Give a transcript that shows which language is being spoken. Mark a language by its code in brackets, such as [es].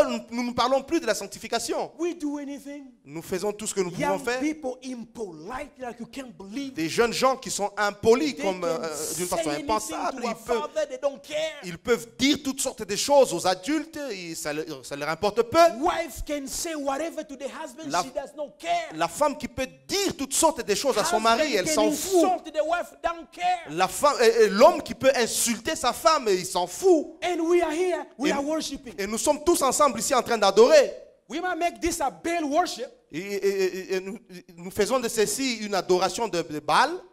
[fr] Nous ne parlons plus de la sanctification. [en] We do anything. [fr] Nous faisons tout ce que nous pouvons faire. [en] Young people impolite, like you can't believe. [fr] Des jeunes gens qui sont impolis, [en] they [fr] comme d'une façon impensable. Ils peuvent dire toutes sortes de choses aux adultes, et ça leur importe peu. [en] Wife can say whatever to the husband, she does not care. [fr] La femme qui peut dire toutes sortes de choses [en] husband [fr] à son mari, elle s'en fout. [en] The wife, don't care. [fr] La femme, l'homme qui peut insulter sa femme, il s'en fout. [en] And we are here, we are worshiping. [fr] Et nous sommes tous ensemble ici en train d'adorer. [en] We might make this a Baal worship. [fr] Et nous faisons de ceci une adoration de Baal.